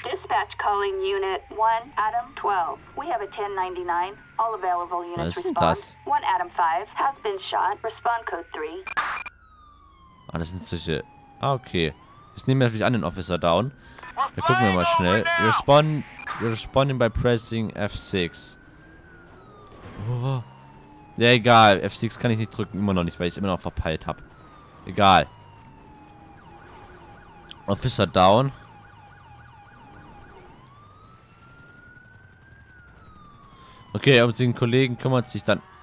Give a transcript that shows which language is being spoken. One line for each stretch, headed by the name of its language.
English: Dispatch calling Unit 1, Adam 12. We have a 1099. All available units.
German: Was ist denn das?
English: 1 Adam 5 has been shot. Respond code 3.
German: Ah, das sind solche. Ah, okay. Jetzt nehmen wir natürlich an den Officer down. Da gucken wir mal schnell.
English: Responding by pressing F6.
German: Oh. Ja, egal. F6 kann ich nicht drücken. Immer noch nicht, weil ich es immer noch verpeilt habe. Egal.
English: Officer down.
German: Okay, um den Kollegen kümmert sich dann.